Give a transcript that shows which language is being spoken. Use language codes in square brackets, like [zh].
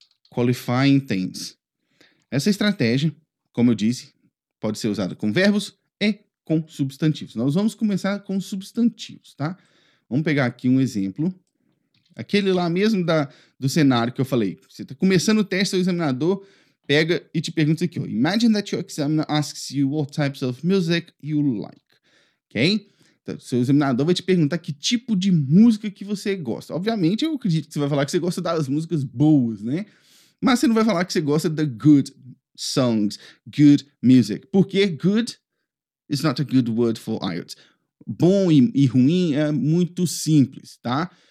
[en] Qualifying things. [pt] Essa estratégia, como eu disse, pode ser usada com verbos e com substantivos. Nós vamos começar com substantivos, tá? Vamos pegar aqui um exemplo. Aquele lá mesmo do cenário que eu falei. Você está começando o teste, o examinador pega e te pergunta isso aqui. Ó. [en] Imagine that your examiner asks you what types of music you like. [pt] Ok? Então, seu examinador vai te perguntar que tipo de música que você gosta. Obviamente, eu acredito que você vai falar que você gosta das músicas boas, né? Mas você não vai falar que você gosta de [en] good songs, good music. [pt] Porque [en] good is not a good word for IELTS. [pt] Bom e ruim é muito simples, tá?